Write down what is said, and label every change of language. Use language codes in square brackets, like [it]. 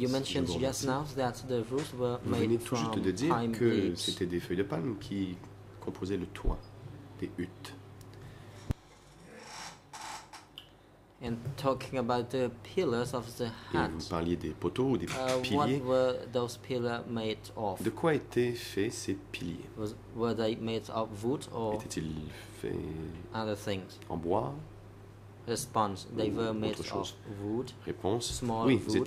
[en] you mentioned just now that the roofs were made from palm leaves. [fr] De dire que c'était des feuilles de palme qui composaient le toit des huttes. [en] And talking about the pillars of the hut. [fr] Et vous parliez des poteaux ou des piliers. [en] What were those pillars made of? [fr] De quoi étaient faits ces piliers? [en] Were they made of wood or [fr] étaient-ils faits [en] other things? [fr] En bois? [en] Response, they were made of wood. [fr] Réponse, [en] small [fr] oui, [en] wood.